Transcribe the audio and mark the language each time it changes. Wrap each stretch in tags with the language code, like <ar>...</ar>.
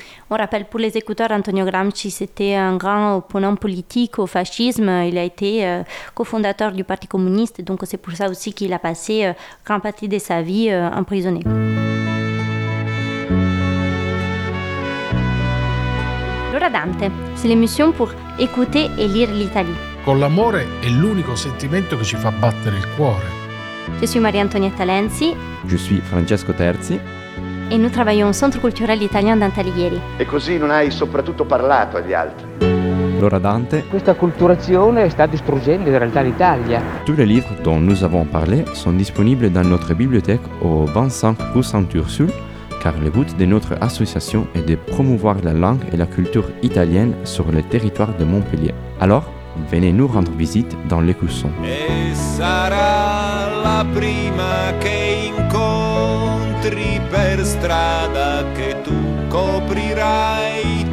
<fr>On rappelle pour les écouteurs, Antonio Gramsci, c'était un grand opposant politique au fascisme. Il a été cofondateur du Parti communiste, donc c'est pour ça aussi qu'il a passé grande partie de sa vie emprisonné. L'ora Dante, c'est l'émission pour écouter et lire l'Italie.</fr> <it>Con l'amore è l'unico sentimento che ci fa battere il cuore.</it> <fr>Je suis Maria Antonietta Lenzi. Je suis Francesco Terzi.</fr> <it>E noi lavoriamo al Centro Culturale Italiano Dante Alighieri. E così non hai soprattutto parlato agli altri. L'ora Dante. Questa acculturazione sta distruggendo in realtà l'Italia.</it> <fr>Tous les livres dont nous avons parlé sont disponibles dans notre bibliothèque au 25 rue Saint-Ursule, car le but de notre association est de promouvoir la langue et la culture italienne sur le territoire de Montpellier. Alors, venez nous rendre visite dans l'Écusson.</fr> <it>La prima che incontri per strada che tu coprirai.</it>